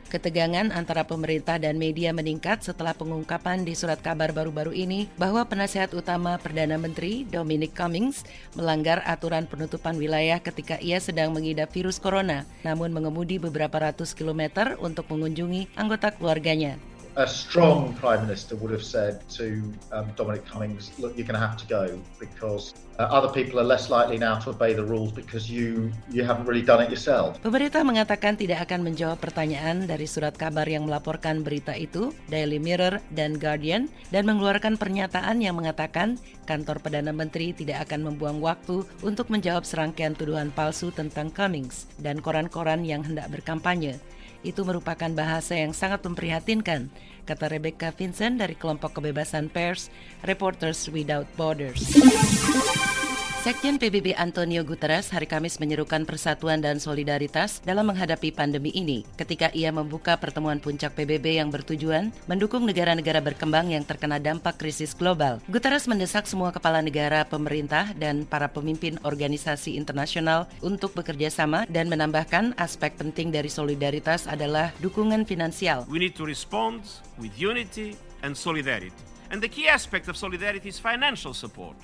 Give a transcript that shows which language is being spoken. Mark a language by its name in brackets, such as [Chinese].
[Indonesian] Ketegangan antara pemerintah dan media meningkat setelah pengungkapan di surat kabar baru-baru ini bahwa penasehat utama Perdana Menteri, Dominic Cummings, melanggar aturan penutupan wilayah ketika ia sedang mengidap virus corona, namun mengemudi beberapa ratus kilometer untuk mengunjungi anggota keluarganya. [English] A strong prime minister would have said to Dominic Cummings, look, you're going to have to go because other people are less likely now to obey the rules because you haven't really done it yourself. [Indonesian] Pemerintah mengatakan tidak akan menjawab pertanyaan dari surat kabar yang melaporkan berita itu, Daily Mirror dan Guardian, dan mengeluarkan pernyataan yang mengatakan kantor Perdana Menteri tidak akan membuang waktu untuk menjawab serangkaian tuduhan palsu tentang Cummings dan koran-koran yang hendak berkampanye. Itu merupakan bahasa yang sangat memprihatinkan, kata Rebecca Vincent dari kelompok kebebasan pers, Reporters Without Borders. Sekjen PBB Antonio Guterres hari Kamis menyerukan persatuan dan solidaritas dalam menghadapi pandemi ini ketika ia membuka pertemuan puncak PBB yang bertujuan mendukung negara-negara berkembang yang terkena dampak krisis global. Guterres mendesak semua kepala negara, pemerintah, dan para pemimpin organisasi internasional untuk bekerja sama dan menambahkan aspek penting dari solidaritas adalah dukungan finansial. [English] We need to respond with unity and solidarity. And the key aspect of solidarity is financial support.